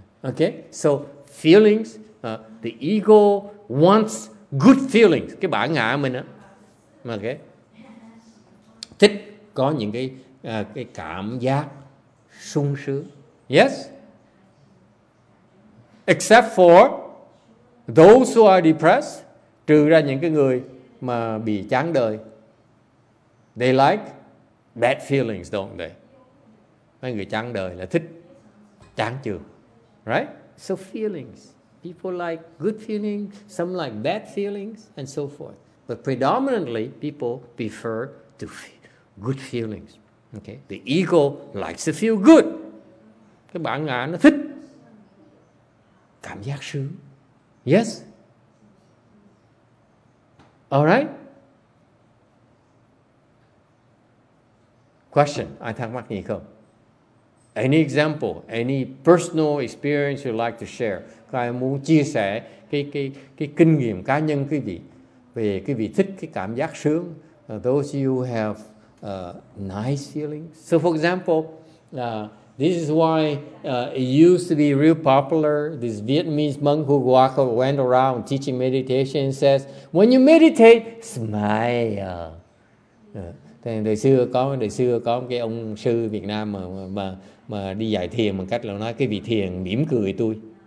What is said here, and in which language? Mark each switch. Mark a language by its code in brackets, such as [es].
[en] Okay, so feelings, the ego wants good feelings. [vi] Cái bản ngã mình á, okay, thích có những cái cảm giác sung sướng. Yes. [en] Except for those who are depressed, [vi] trừ ra những cái người mà bị chán đời. [en] They like bad feelings, don't they? [vi] Mấy người chán đời là thích chán chường. [en] Right? So feelings. People like good feelings, some like bad feelings, and so forth. But predominantly, people prefer to feel good feelings. Okay? The ego likes to feel good. [vi] Cái bản ngã nó thích cảm giác sướng. [en] Yes? Alright? Question. [vi] Ai thắc mắc gì không? [en] Any example, any personal experience you'd like to share? [vi] Ai muốn chia sẻ cái kinh nghiệm cá nhân quý vị về quý vị thích cái cảm giác sướng? [en] Those you have nice feelings. So for example, this is why it used to be real popular. This Vietnamese monk who went around teaching meditation and says, when you meditate, smile. [vi] Đời xưa có một cái ông sư Việt Nam mà đi dạy thiền bằng cách là nói cái vị thiền mỉm cười tôi.